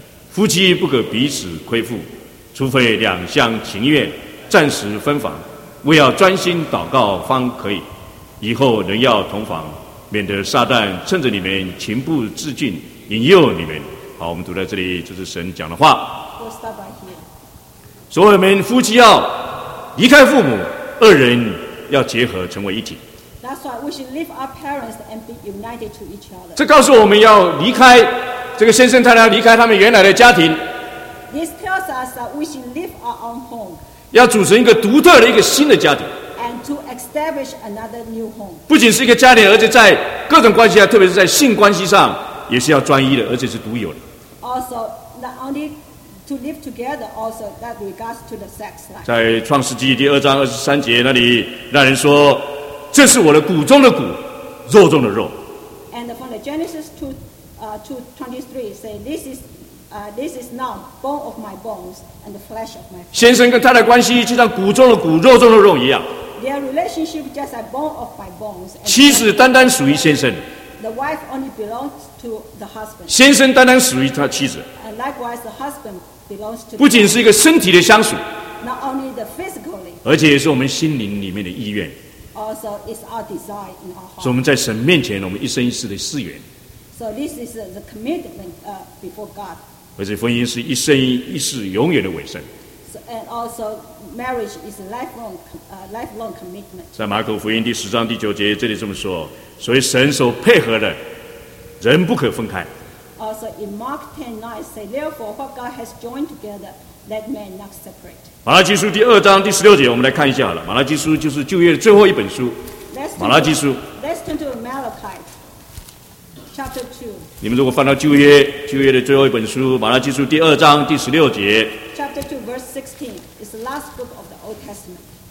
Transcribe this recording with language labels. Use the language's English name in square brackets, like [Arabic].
[Chinese] 夫妻不可彼此亏负，除非两厢情愿，暂时分房，为要专心祷告方可以，以后仍要同房。免得撒旦趁着你们情不自禁引诱你们。好，我们读在这里，就是神讲的话。 [English] We'll stop right here. [Chinese] 所以我们夫妻要离开父母，二人要结合成为一体。 [English] That's why we should leave our parents and be united to each other. [Chinese] 这告诉我们要离开这个先生太太，离开他们原来的家庭。 [English] This tells us that we should leave our own home. [Chinese] 要组成一个独特的一个新的家庭。 [English] And to establish another new home. [Chinese] 不仅是一个家庭，而且在各种关系上，特别是在性关系上，也是要专一的，而且是独有的。 [English] Also, not only to live together, also that regards to the sex life. [Chinese] 在创世纪第二章二十三节那里，那人说。这是我的骨中的骨，肉中的肉。 [English] And from the Genesis 2:23 say this is now bone of my bones and the flesh of my flesh. [Chinese] 先生跟太太关系就像骨中的骨，肉中的肉一样。 [English] Their relationship just like bone of my bones. [Chinese] 妻子单单属于先生。 [English] The wife only belongs to the husband. [Chinese] 先生单单属于他妻子。 [English] And likewise, the husband belongs to. [Chinese] 不仅是一个身体的相属。 [English] Not only the physically. [Chinese] 而且也是我们心灵里面的意愿。 [English] Also, it's our desire in our heart. [Chinese] 所以我们在神面前，我们一生一世的誓言。 [English] So this is the commitment before God. [Chinese] 而且婚姻是一生一世永远的委身。 [English] So, and also, marriage is a lifelong commitment. [Chinese] 在马可福音第十章第九节这里这么说：所以神所配合的，人不可分开。 [English] Also, in Mark 10:9 say, therefore, what God has joined together. That man not separate. [Chinese] 马拉基书第二章第十六节，我们来看一下好了。马拉基书就是旧约的最后一本书。马拉基书。 [English] Let's turn to Malachi, chapter two. [Chinese] 你们如果翻到旧约的最后一本书，马拉基书第二章第十六节。 [English] Chapter two, verse 16, is the last book of the Old Testament.